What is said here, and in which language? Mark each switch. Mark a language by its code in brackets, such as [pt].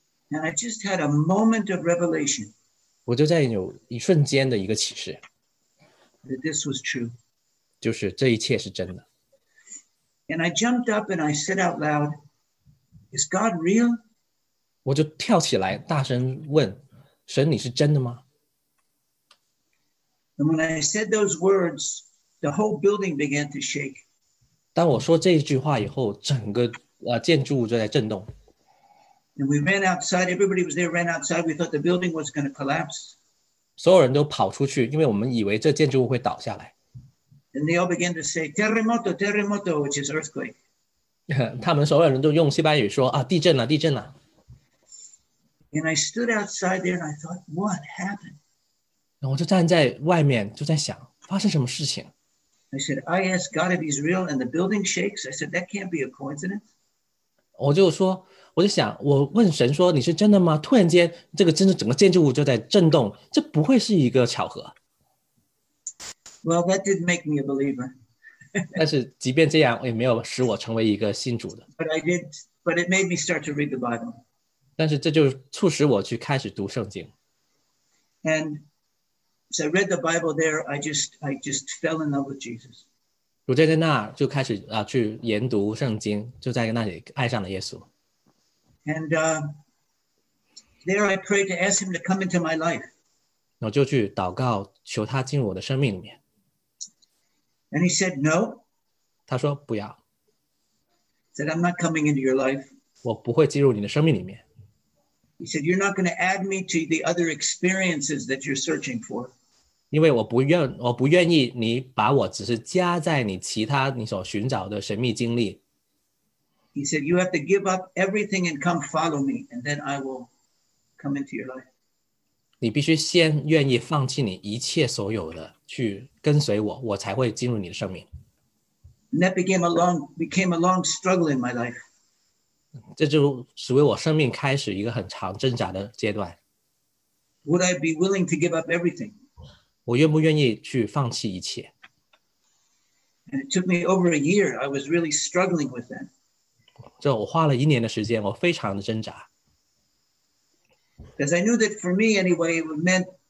[en] And I just had a moment of revelation. [zh] 我就在有一瞬间的一个启示。 [en] That this was true. [zh] 就是这一切是真的。 [en] And I jumped up and I said out loud,Is God real? [zh] 我就跳起来大声问神你是真的吗 [en] And when I said those words, the whole building began to shake. [zh] 当我说这句话以后整个建筑物就在震动 [en] And we ran outside, everybody was there, ran outside, we thought the building was going to collapse. [zh] 所有人都跑出去因为我们以为这建筑物会倒下来 [en] And they all began to say, [es] terremoto, terremoto, [en] which is earthquake. [zh] 他们所有人都用西班牙语说啊，地震了，地震了。 [en] And I stood outside there and I thought, what happened? [zh] 然后我就站在外面，就在想发生什么事情。 [en] I said, I asked God if He's real, and the building shakes. I said, that can't be a coincidence. [zh] 我就想，我问神说，你是真的吗？突然间，这个真的整个建筑物就在震动，这不会是一个巧合。 [en] Well, that didn't make me a believer. [zh] 但是即便这样也没有使我成为一个信主的 [en] but it made me start to read the Bible [zh] 但是这就促使我去开始读圣经 [en] and as I read the Bible there I just fell in love with Jesus [zh] 我就在那就开始去研读圣经就在那里爱上了耶稣 [en] and there I prayed to ask him to come into my life [zh] 我就去祷告求他进入我的生命里面 [en] And he said, no. [zh] 他说不要。 [en] He said, I'm not coming into your life. [zh] 我不会进入你的生命里面。 [en] He said, you're not going to add me to the other experiences that you're searching for. [zh] 因为我不愿意你把我只是加在你其他你所寻找的神秘经历。 [en] He said, you have to give up everything and come follow me, and then I will come into your life. [zh] 你必须先愿意放弃你一切所有的。去跟随我，我才会进入你的生命。 [en] And that became a long struggle in my life. [zh] 这就使为我生命开始一个很长挣扎的阶段。 [en] Would I be willing to give up everything? [zh] 我愿不愿意去放弃一切 [en] ？And it took me over a year. I was really struggling with that. [zh] 这我花了一年的时间，我非常的挣扎。 [en] Because I knew that for me, anyway, it meant.